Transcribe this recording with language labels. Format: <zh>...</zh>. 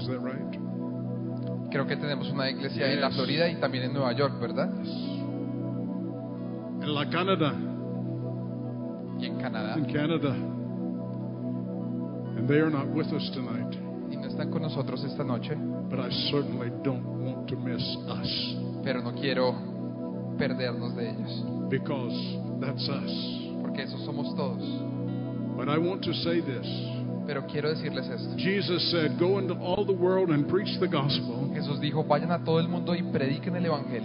<en>Is that right?</en> <es>Creo que tenemos una iglesia en la Florida y también en Nueva York, ¿verdad? En la Canadá. Y en Canadá.</es> <en>In Canada. And they are not with us tonight.</en> <es>Y no están con nosotros esta noche.</es> <en>But I certainly don't want to miss us.</en> <es>Pero no quiero perdernos de ellos.</es> <en>Because that's us.</en> <es>Porque esos somos todos.</es> <en>But I want to say this.</en> <es>Pero quiero decirles esto.</es> <en>Jesus said, "Go into all the world and preach the gospel."</en> <es>Jesús dijo, vayan a todo el mundo y prediquen el evangelio.</es>